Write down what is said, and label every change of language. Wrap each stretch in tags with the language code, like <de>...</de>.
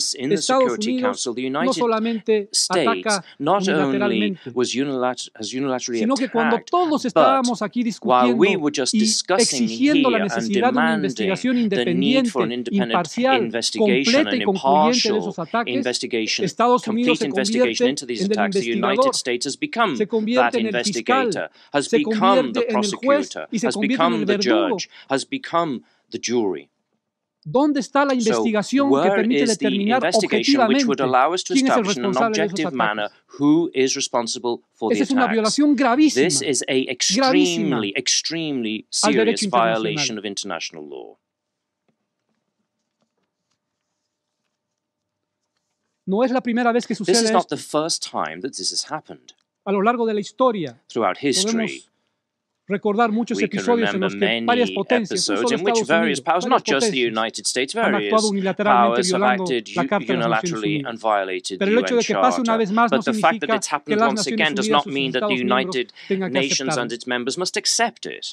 <es>Estados Unidos no solamente ataca unilateralmente, sino que cuando todos estábamos aquí discutiendo y exigiendo la necesidad de una investigación independiente, imparcial, completa y concluyente de esos ataques, Estados Unidos se convierte en el investigador, se convierte en el fiscal, se convierte en el juez y se convierte en el verdugo.</es> <en>The judge has become the jury.</en> <es>¿Dónde está la investigación que permite determinar objetivamente quién es el responsable de esos ataques? Esa es una violación gravísima.</es> <en>This is a extremely serious violation of international law.</en> <es>No es la primera vez que sucede.</es> <en>This is not the first time that this has happened.</en> <es>A lo largo de la historia,</es> <en>throughout history,</en> <es>recordar muchos episodios en los que varias potencias, varias potencias,</es> <en>not just the United States,</en> <es>han actuado unilateralmente violando la Carta de las Naciones Unidas. Pero el hecho de que pase una vez más no significa que las Naciones Unidas o sus Estados miembros tengan que aceptarlo.</es>